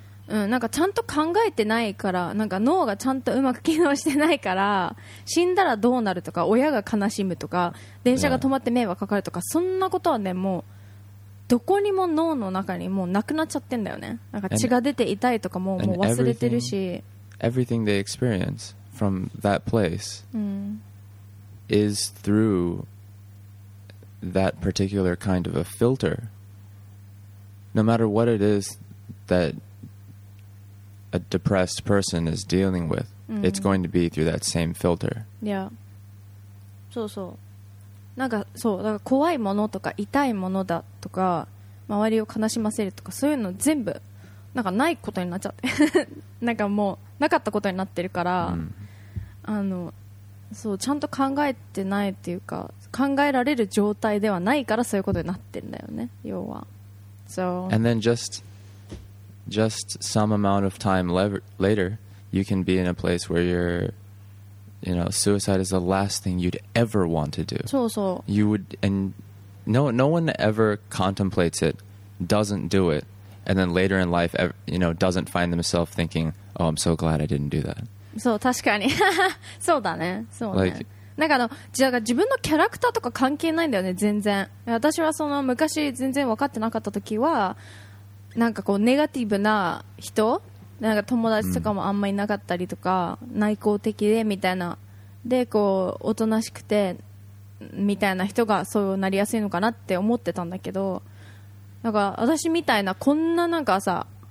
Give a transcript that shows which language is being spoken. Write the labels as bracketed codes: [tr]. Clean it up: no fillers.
[ja] うん、なんかちゃんと考えてないから、なんか脳がちゃんとうまく機能してないから、死んだらどうなるとか、親が悲しむとか、電車が止まって迷惑かかるとか、そんなことはね、もうどこにも脳の中にもうなくなっちゃってんだよね。なんか血が出て痛いとか もう忘れてるし、 [en] everything they experience from that place、is through that particular kind of a filter. No matter what it is thata depressed person is dealing with, it's going to be through that same filter. Yeah. [ja] そうそう、なんかそう、だから怖いものとか痛いものだとか周りを悲しませるとかそういうの全部なんかないことになっちゃってなんかもうなかったことになってるから、うん、あのそうちゃんと考えてないっていうか考えられる状態ではないからそういうことになってるんだよね要は。 [en] So and then just some amount of time later you can be in a place where you're you know suicide is the last thing you'd ever want to do. [ja] そうそう。 [en] You would and no one ever contemplates it, doesn't do it, and then later in life you know doesn't find themselves thinking, oh, I'm so glad I didn't do that. [ja] そう確かにそうだね、そうね、like、なんかあのじゃあ自分のキャラクターとか関係ないんだよね全然。私はその昔全然分かってなかった時はなんかこうネガティブな人、なんか友達とかもあんまりいなかったりとか、うん、内向的でみたいなでこうおとなしくてみたいな人がそうなりやすいのかなって思ってたんだけど、なんか私みたいなこんななんかさ